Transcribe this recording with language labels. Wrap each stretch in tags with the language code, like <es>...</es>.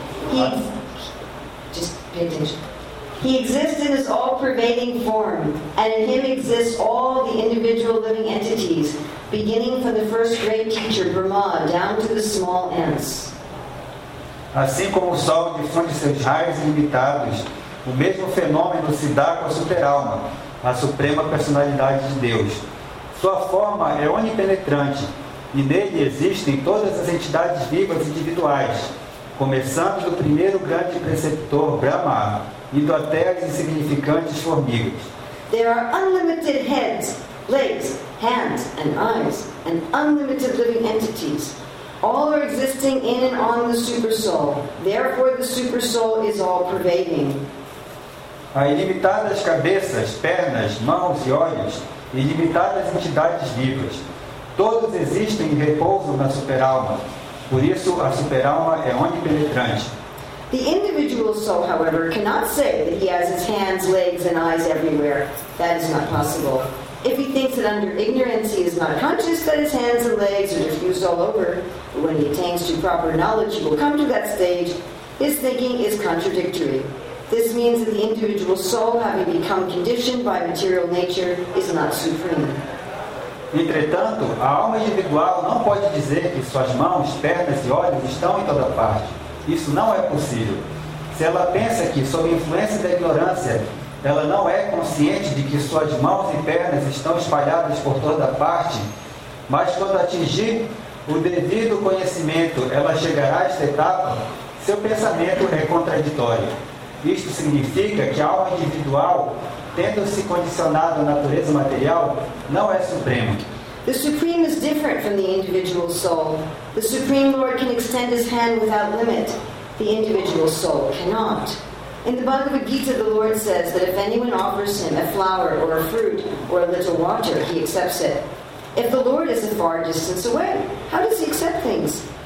<en>Okay. Just pay attention. He exists in his all-pervading form, and in him exists all the individual living entities, beginning from the first great teacher, Brahma, down to the small ants.</en> <pt>Assim como o sol difunde seus raios ilimitados, o mesmo fenômeno se dá com a super-alma, a suprema personalidade de Deus. Sua forma é onipenetrante, e nele existem todas as entidades vivas individuais, começando do primeiro grande preceptor, Brahma, indo até as insignificantes formigas.</pt> <en>There are unlimited heads, legs, hands, and eyes, and unlimited living entities. All are existing in and on the Supersoul. Therefore, the Supersoul is all-pervading.</en> <pt>Há ilimitadas cabeças, pernas, mãos e olhos, ilimitadas entidades vivas. Todos existem em repouso na Superalma. Por isso, a Superalma é onipenetrante.</pt> <en>The individual soul, however, cannot say that he has his hands, legs, and eyes everywhere. That is not possible. If he thinks that under ignorance he is not conscious, that his hands and legs are diffused all over, but when he attains to proper knowledge, he will come to that stage, his thinking is contradictory. This means that the individual soul, having become conditioned by material nature, is not supreme.</en> <pt>Entretanto, a alma individual não pode dizer que suas mãos, pernas e olhos estão em toda parte. Isso não é possível. Se ela pensa que, sob influência da ignorância, ela não é consciente de que suas mãos e pernas estão espalhadas por toda parte, mas quando atingir o devido conhecimento, ela chegará a esta etapa, seu pensamento é contraditório. Isto significa que a alma individual, tendo se condicionado à natureza material, não é suprema.</pt> <en>The Supreme is different from the individual soul. The Supreme Lord can extend his hand without limit. The individual soul cannot. In the Bhagavad Gita, the Lord says that if anyone offers him a flower or a fruit or a little water, he accepts it. If the Lord is a far distance away, how does he accept things?</en>